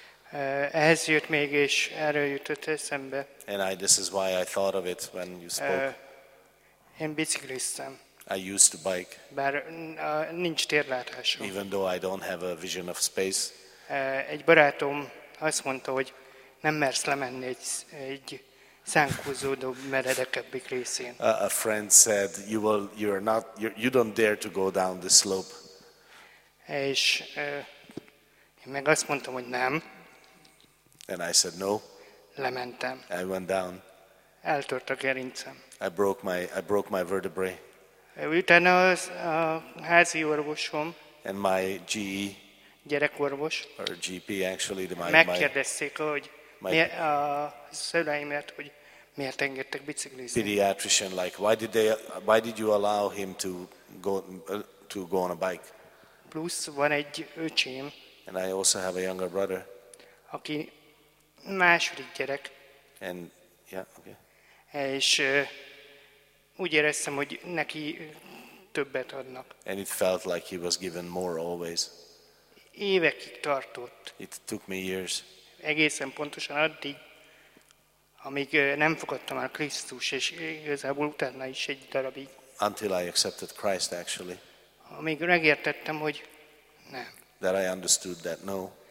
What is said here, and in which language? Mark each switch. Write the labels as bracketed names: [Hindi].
[Hungarian] Ehhez jött még, és erről jutott eszembe. [English] And this is why I thought of it when you spoke. [Hungarian] Én bicikliztem. [English] I used to bike. [Hungarian] Bár nincs térlátásom. [English] Even though I don't have a vision of space. [Hungarian] Egy barátom azt mondta, hogy nem mersz lemenni egy szánkózódó meredekebbik részén. [English] A friend said, you don't dare to go down the slope. [Hungarian] És én meg azt mondtam, hogy nem. [English] And I said no. [Hungarian] Lementem. [English] I went down. [Hungarian] Eltört a gerincem. [English] I broke my vertebrae. [Hungarian] Utána a házi orvosom. [English] And my GE. [Hungarian] Gyerekorvos. [English] Or GP actually. [Hungarian] Megkérdezték, hogy a szüleimért, hogy miért engedtek biciklizni. [English] Pediatrician, like why did you allow him to go on a bike? [Hungarian] Plusz van egy öcsém. [English] And I also have a younger brother. [Hungarian] Aki második gyerek. [English] And yeah, okay. [Hungarian] És úgy éreztem, hogy neki többet adnak. [English] And it felt like he was given more always. [Hungarian] Évekig tartott. [English] It took me years. [Hungarian] Egészen pontosan addig, amíg nem fogadtam el Krisztus, és igazából utána is egy darabig. [English] Until I accepted Christ, actually. [Hungarian] Amíg megértettem, hogy nem. [English] That I understood that no.